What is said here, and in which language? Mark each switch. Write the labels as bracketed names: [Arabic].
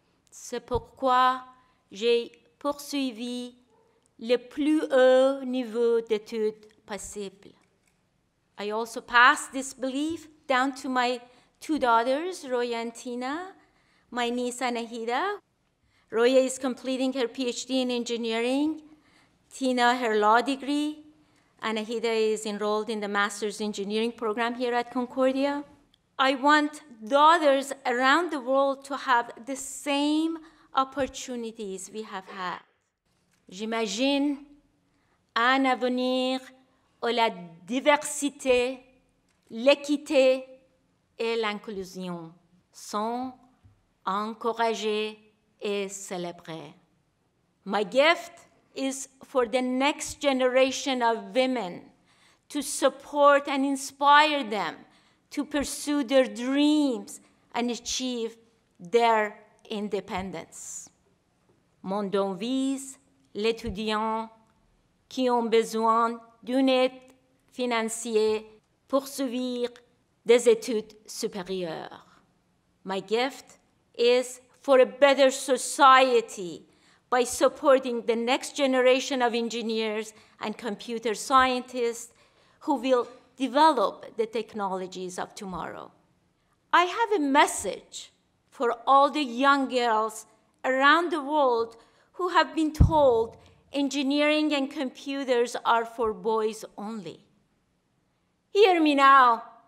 [French] C'est pourquoi j'ai poursuivi le plus haut niveau d'études possible. [English] I also passed this belief down to my two daughters, Roya and Tina, my niece Anahida. Roya is completing her PhD in engineering, Tina her law degree. Anahida is enrolled in the master's engineering program here at Concordia. I want daughters around the world to have the same opportunities we have had. [French] J'imagine un avenir où la diversité, l'équité et l'inclusion sont encouragées et célébrées. [English] My gift is for the next generation of women to support and inspire them to pursue their dreams and achieve their independence. [French] Mon don vise l'étudiant qui ont besoin d'une aide financière pour suivre des études supérieures. [English] My gift is for a better society by supporting the next generation of engineers and computer scientists who will develop the technologies of tomorrow. I have a message for all the young girls around the world who have been told engineering and computers are for boys only. Hear me now.